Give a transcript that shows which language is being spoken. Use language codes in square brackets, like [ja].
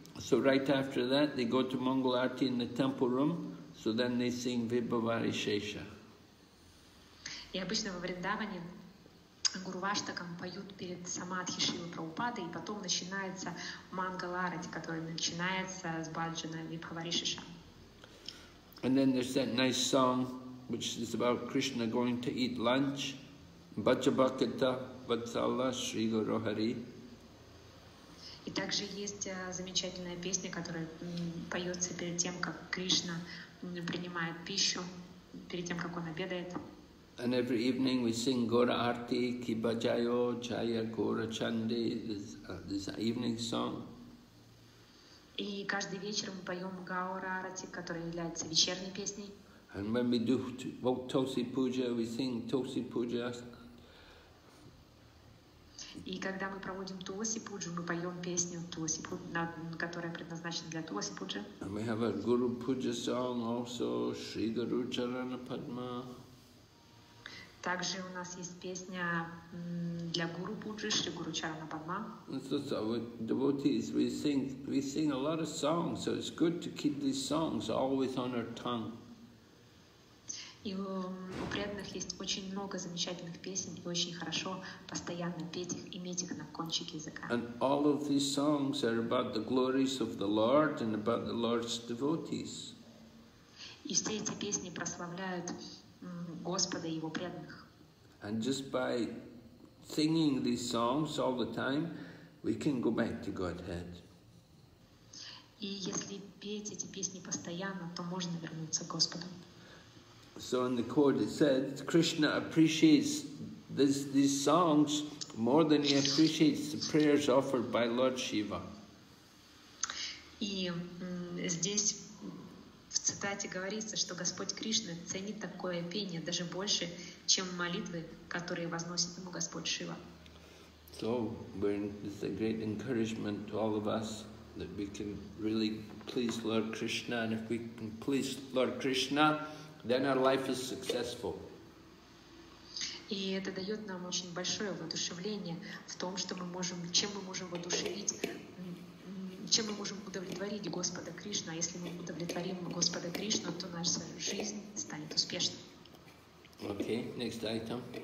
[en] So right after that they go to Mangalarti in the temple room, so then they sing Vibhavari Shesha. [ru] И обычно во Вриндаване Гуру Ваштакам поют перед Самадхи Шивы Прабхупады, и потом начинается Мангал Арати, который начинается с Баджана Вибхаваришиша. [en] And then there's that nice song, which is about Krishna going to eat lunch. [ru] Баджабакита Ватсала Шри Гуру Хари. И также есть замечательная песня, которая поется перед тем, как Кришна принимает пищу, перед тем, как он обедает. [en] And every evening we sing Gora Arti, Ki Bajayo, Jaya Gora Chandi, this evening song. [ru] И каждый вечер мы поем Гаура Арти, которая является вечерней песней. [en] And when we do Tosi Puja, we sing Tosi Puja. [ru] И когда мы проводим Тоси Пуджу, мы поем песню Тоси Пуджа, которая предназначена для Тоси Пуджа. [en] And we have a Guru Puja song also, Shri Guru Charana Padma. [ru] Также у нас есть песня для Гуру Пуджи, Шри Гуру Чарана Падма. [en] So devotees, we sing a lot of songs, so it's good to keep these songs always on our tongue. [ru] И у преданных есть очень много замечательных песен, и очень хорошо постоянно петь их, иметь их на кончике языка. [en] And all of these songs are about the glories of the Lord and about the Lord's devotees. [ru] И все эти песни прославляют Господа и Его преданных. [en] And just by singing these songs all the time, we can go back to Godhead. [ru] И если петь эти песни постоянно, то можно вернуться к Господу. [en] So in the quote it said, Krishna appreciates these songs more than he appreciates the prayers offered by Lord Shiva. [ru] И здесь в цитате говорится, что Господь Кришна ценит такое пение даже больше, чем молитвы, которые возносит ему Господь Шива. [en] So, it's a great encouragement to all of us that we can really please Lord Krishna, and if we can please Lord Krishna, then our life is successful. [ru] И это дает нам очень большое воодушевление в том, что мы можем, чем мы можем воодушевить, чем мы можем удовлетворить Господа Кришну. А если мы удовлетворим Господа Кришну, то наша жизнь станет успешной. [en] Okay, next item.